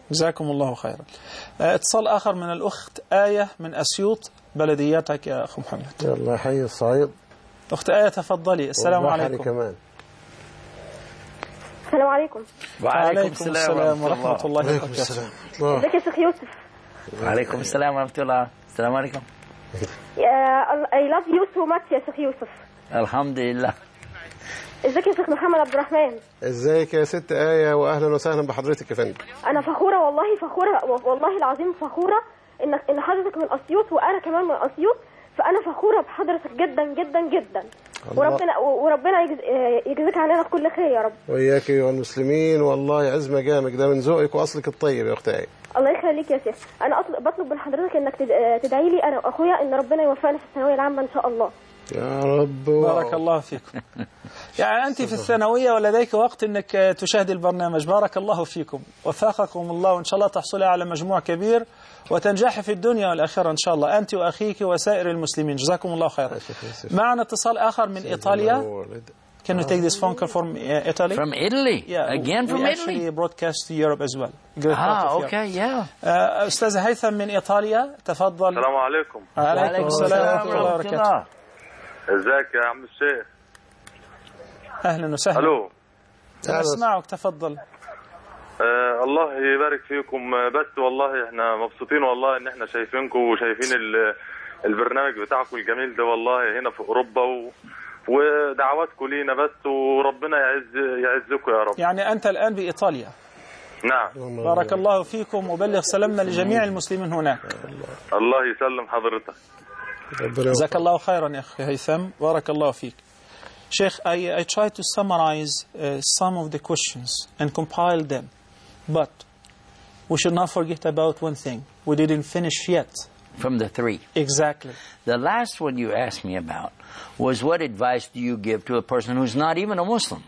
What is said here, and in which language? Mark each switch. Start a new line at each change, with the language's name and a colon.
Arabic: جزاكم الله خيرا. اتصال اخر من الاخت ايه من اسيوط بلدياتك يا اخ محمد. يلا حي الصعيد. اخت ايه تفضلي. السلام عليكم. كمان السلام عليكم. وعليكم السلام ورحمة الله وبركاته. ازيك يا شيخ يوسف؟ وعليكم السلام ورحمة الله. السلام عليكم.
English: I love you so much
Arabic: يا شيخ يوسف. الحمد لله. ازيك يا شيخ محمد عبد الرحمن؟ ازيك يا ست آية واهلا وسهلا بحضرتك يا فندم. انا فخورة والله فخورة والله العظيم فخورة ان حضرتك من اسيوط وانا كمان من اسيوط فانا فخورة بحضرتك جدا جدا جدا. وربنا يجزيك علينا كل خير يا رب. وياك يا المسلمين والله عزمة جامك ده من ذوقك واصلك الطيب يا اختي. الله يخليك يا شيخ. انا بطلب من حضرتك انك تدعي لي انا واخويا ان ربنا يوفقنا في الثانويه العامه ان شاء الله يا رب. بارك الله فيكم. يعني انت في الثانويه ولديك وقت انك تشاهد البرنامج. بارك الله فيكم وفقكم الله وان شاء الله تحصلي على مجموع كبير وتنجح في الدنيا والآخرة إن شاء الله أنت وأخيك وسائر المسلمين. جزاكم الله خير. معنا اتصال آخر من إيطاليا.
English: Can you take this phone call from Italy? From Italy? Yeah. Again from Italy? We actually broadcast to Europe as well. Ah, okay, yeah.
Arabic: أستاذ هيثم من إيطاليا تفضل. السلام عليكم. عليكم السلام ورحمة الله وبركاته. إزيك يا عم الشيخ؟ أهلا وسهلا. ألو. أسمعك تفضل. الله يبارك فيكم. بس والله احنا مبسوطين والله ان احنا شايفينكم وشايفين البرنامج بتاعكم الجميل ده والله هنا في اوروبا ودعواتكم لينا بس وربنا يعزكم يا رب. يعني انت الان بايطاليا؟ نعم. بارك الله فيكم وبلغ سلامنا لجميع المسلمين هناك. الله يسلم حضرتك. جزاك الله خيرا يا اخي هيثم. بارك الله فيك.
English: شيخ, I try to summarize some of the questions and compile them. But we should not forget about one thing. We didn't finish yet. From the three. Exactly. The last one you asked me about was what advice do you give to a person who's not even a Muslim?